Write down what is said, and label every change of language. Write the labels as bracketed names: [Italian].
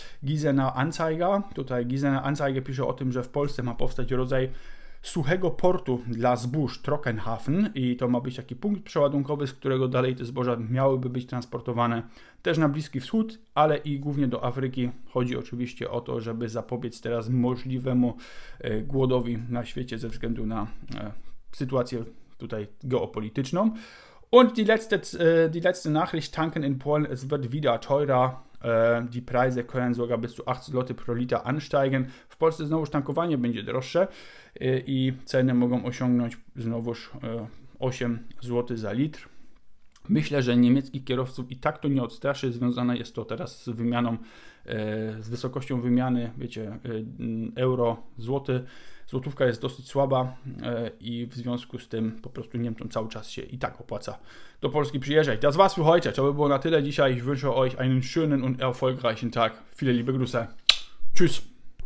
[Polish] Gießener Anzeiger, tutaj Gießener Anzeiger pisze o tym, że w Polsce ma powstać rodzaj suchego portu dla zbóż, Trockenhafen, i to ma być taki punkt przeładunkowy, z którego dalej te zboża miałyby być transportowane też na Bliski Wschód, ale i głównie do Afryki. Chodzi oczywiście o to, żeby zapobiec teraz możliwemu głodowi na świecie ze względu na sytuację tutaj geopolityczną. [German] Und die letzte Nachricht, tanken in Polen, es wird wieder teurer. Die Preise können sogar bis zu 80 zł pro Liter ansteigen. [Polish] W Polsce znowuż tankowanie będzie droższe i ceny mogą osiągnąć znowuż 8 zł za litr. Myślę, że niemieckich kierowców i tak to nie odstraszy. Związane jest to teraz z wymianą, z wysokością wymiany, wiecie, euro, złoty. Złotówka jest dosyć słaba i w związku z tym po prostu Niemcom cały czas się i tak opłaca do Polski przyjeżdżać. [German] Das war's für heute. [Polish] To by było na tyle dzisiaj. [German] Ich wünsche euch einen schönen und erfolgreichen Tag. Viele liebe Grüße. Tschüss.